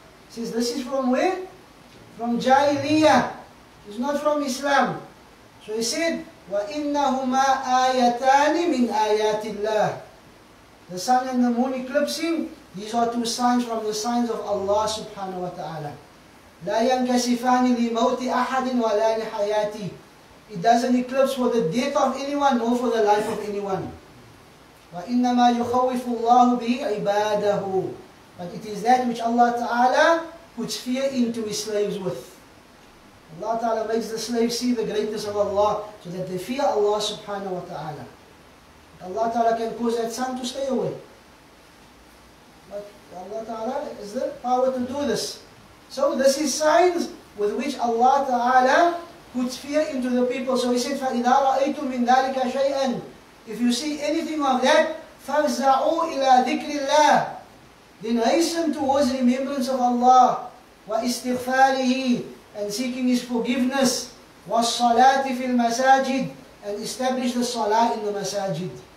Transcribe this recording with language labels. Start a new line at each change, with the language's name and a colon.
English: Says this is from where? From Jahiliyyah. It's not from Islam. So he said,
Arabic: "Wa innahuma ayatani min ayatillah."
English: The sun and the moon eclipsing, these are two signs from the signs of Allah subhanahu wa ta'ala.
Arabic: لا ينكسفان لموت أحد ولا لحياتي.
English: It doesn't eclipse for the death of anyone nor for the life of anyone.
Arabic: وإنما يخوف الله به عباده.
English: But it is that which Allah Ta'ala puts fear into His slaves with. Allah Ta'ala makes the slaves see the greatness of Allah so that they fear Allah Subhanahu wa Ta'ala. Allah Ta'ala can cause that sun to stay away. But Allah Ta'ala has the power to do this. So this is signs with which Allah Ta'ala puts fear into the people. So he said,
Arabic: فَإِذَا رَأَيْتُم مِّن ذَلِكَ شَيْئًا.
English: If you see anything of that,
Arabic: فَفْزَعُوا إِلَىٰ ذِكْرِ اللَّهِ.
English: Then hasten towards remembrance of Allah.
Arabic: وَإِسْتِغْفَارِهِ.
English: And seeking His forgiveness.
Arabic: وَالصَّلَاةِ فِي الْمَسَاجِدِ.
English: And establish the salah in the masajid.